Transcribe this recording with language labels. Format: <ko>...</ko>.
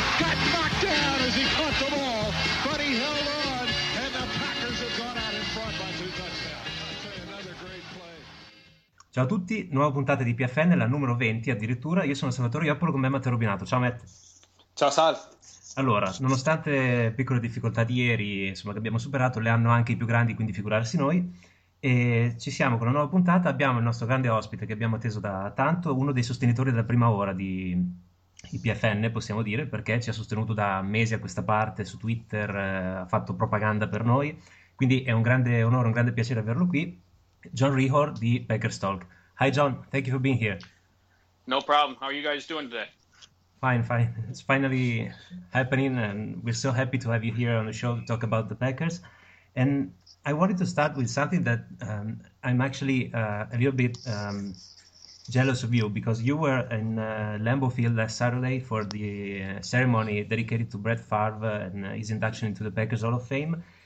<en>Got knocked down as he caught the ball, but he held on, and the Packers have gone out in front by two touchdowns.</en> <it>Ciao a tutti, nuova puntata di PFN, la numero 20 addirittura. Io sono Salvatore Iappolo, con me Matteo Rubinato. Ciao Matt. Ciao Sal. Allora, nonostante piccole difficoltà di ieri, insomma, che abbiamo superato, le hanno anche i più grandi, quindi figurarsi noi. E ci siamo con una nuova puntata, abbiamo il nostro grande ospite che abbiamo atteso da tanto, uno dei sostenitori della prima ora di IPFN, possiamo dire, perché ci ha sostenuto da mesi a questa parte su Twitter, ha fatto propaganda per noi, quindi è un grande onore, un grande piacere averlo qui, John Rehor di Packers Talk.</it> <en>Hi John, thank you for being here. No problem, how are you guys doing today? Fine, fine, it's finally happening and we're so happy to have you here on the show to talk about the Packers. And I wanted to start with something that I'm actually a little bit jealous of you, because you were in Lambeau Field last Saturday for the ceremony dedicated to Brett Favre and his induction into the Packers Hall of Fame.</en>